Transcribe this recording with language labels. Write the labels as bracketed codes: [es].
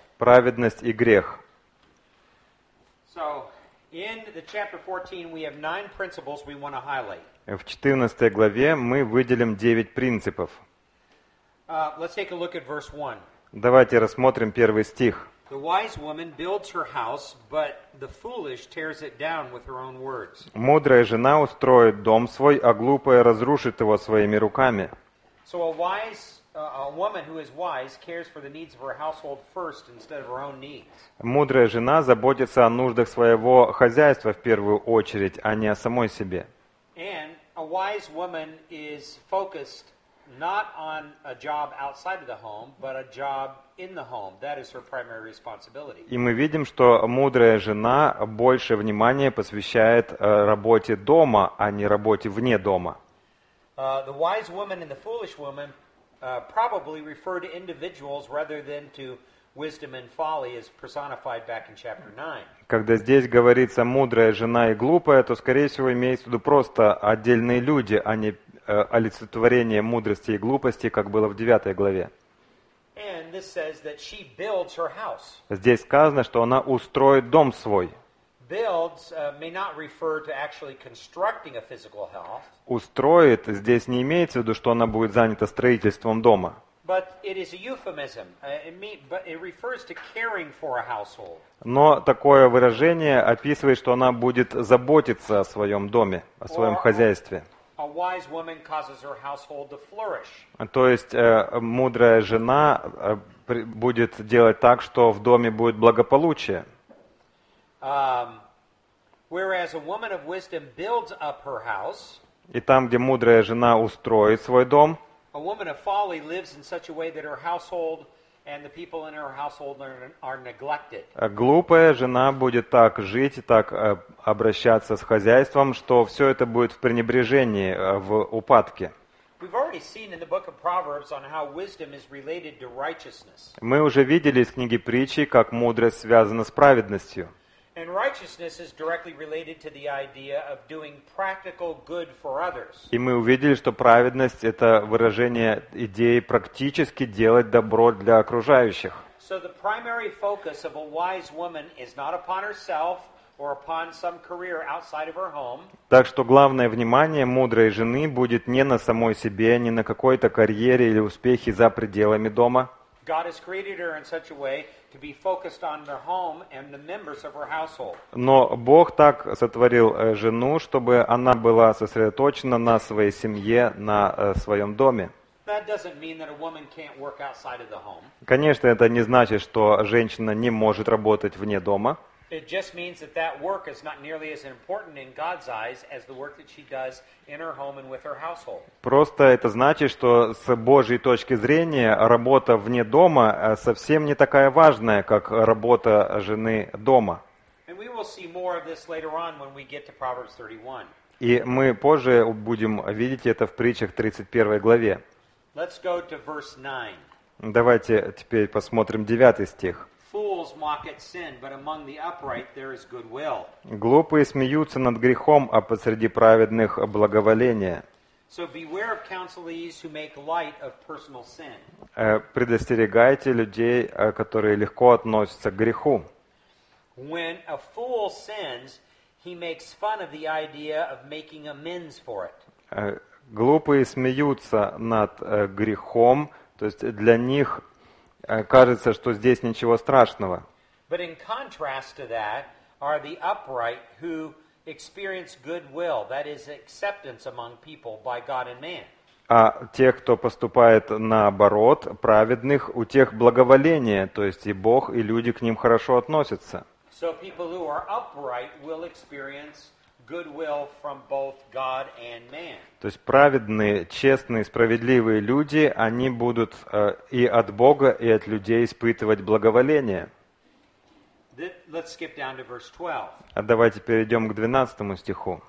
[ru] праведность и грех. [en] So, in the chapter 14 we have 9 principles we want to highlight. [ru] В 14 главе мы выделим 9 принципов. [en] Let's take a look at verse 1. [ru] Давайте рассмотрим первый стих. [en] The wise woman builds her house, but the foolish tears it down with her own words. [ru] Мудрая жена устроит дом свой, а глупая разрушит его своими руками. [en] So a wise a woman who is wise cares for the needs of her household first instead of her own needs. [ru] Мудрая жена заботится о нуждах своего хозяйства в первую очередь, а не о самой себе. [en] And a wise woman is focused not on a job outside of the home, but a job in the home. That is her primary responsibility. [ru] И мы видим, что мудрая жена больше внимания посвящает работе дома, а не работе вне дома. [en] The wise woman and the foolish woman probably refer to individuals rather than to wisdom and folly as personified back in chapter 9. [ru] Когда здесь говорится мудрая жена и глупая, то скорее всего имеется в виду просто отдельные люди, а не олицетворение мудрости и глупости, как было в 9 главе. [en] And this says that she builds her house. [ru] Здесь сказано, что она устроит дом свой. [en] Builds may not refer to actually constructing a physical house. [ru] Устроит здесь не имеется в виду, что она будет занята строительством дома. [en] But it is a euphemism. But it refers to caring for a household. [ru] Но такое выражение описывает, что она будет заботиться о своем доме, о своем хозяйстве. [en] A wise woman causes her household to flourish. [ru] То есть мудрая жена будет делать так, что в доме будет благополучие. [en] Whereas a woman of wisdom builds up her house. [ru] И там, где мудрая жена устроит свой дом. [en] A woman of folly lives in such a way that her household and the people in her household are neglected. [ru] Глупая жена будет так жить, так обращаться с хозяйством, что все это будет в пренебрежении, в упадке. [en] We've already seen in the book of Proverbs on how wisdom is related to righteousness. [ru] Мы уже видели из книги притчи, как мудрость связана с праведностью. [en] And righteousness is directly related to the idea of doing practical good for others. [ru] И мы увидели, что праведность – это выражение идеи практически делать добро для окружающих. [en] So the primary focus of a wise woman is not upon herself or upon some career outside of her home. [ru] Так что главное внимание мудрой жены будет не на самой себе, не на какой-то карьере или успехе за пределами дома. [en] God has created her in such a way to be focused on her home and the members of her household. [ru] Но Бог так сотворил жену, чтобы она была сосредоточена на своей семье, на своем доме. [en] That doesn't mean that a woman can't work outside of the home. [ru] Конечно, это не значит, что женщина не может работать вне дома. [en] It just means that that work is not nearly as important in God's eyes as the work that she does in her home and with her household. [ru] Просто это значит, что с Божьей точки зрения работа вне дома совсем не такая важная, как работа жены дома. [en] And we will see more of this later on when we get to Proverbs 31. [ru] И мы позже будем видеть это в притчах 31 главе. [en] Let's go to verse 9. [ru] Давайте теперь посмотрим 9 стих. [en] Fools mock at sin, but among the upright there is goodwill. [ru] Глупые смеются над грехом, а посреди праведных благоволение. [en] So beware of counselees who make light of personal sin. [ru] Предостерегайте людей, которые легко относятся к греху. [en] When a fool sins, he makes fun of the idea of making amends for it. [ru] Глупые смеются над грехом, то есть для них кажется, что здесь ничего страшного. [en] But in contrast to that are the upright who experience goodwill, that is acceptance among people by God and man. [ru] А тех, кто поступает наоборот, праведных, у тех благоволение, то есть и Бог, и люди к ним хорошо относятся. [en] So people who are upright will experience goodwill from both God and man. [ru] То есть праведные, честные, справедливые люди, они будут и от Бога, и от людей испытывать благоволение. [en] Let's skip down to verse 12. [ru] А давайте перейдем к 12 стиху.